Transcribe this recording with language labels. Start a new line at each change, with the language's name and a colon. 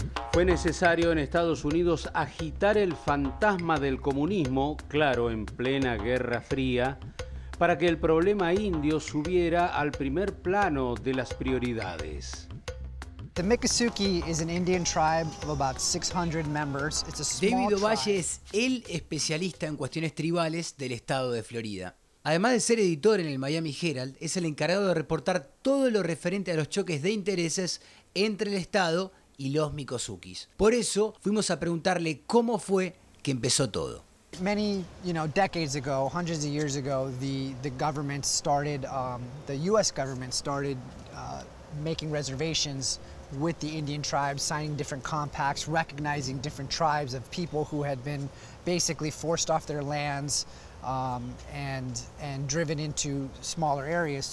Spanish: Fue necesario en Estados Unidos agitar el fantasma del comunismo, claro, en plena Guerra Fría, para que el problema indio subiera al primer plano de las prioridades.
English: The Miccosukee is an Indian tribe of about 600 members. It's a small tribe.
Spanish: David Ovalle es el especialista en cuestiones tribales del estado de Florida. Además de ser editor en el Miami Herald, es el encargado de reportar todo lo referente a los choques de intereses entre el estado y los Miccosukees. Por eso fuimos a preguntarle cómo fue que empezó todo.
English: many, you know, decades ago, hundreds of years ago, the government started, the U.S. government started making reservations with the Indian tribes, signing different compacts, recognizing different tribes of people who had been basically forced off their lands and driven into smaller areas.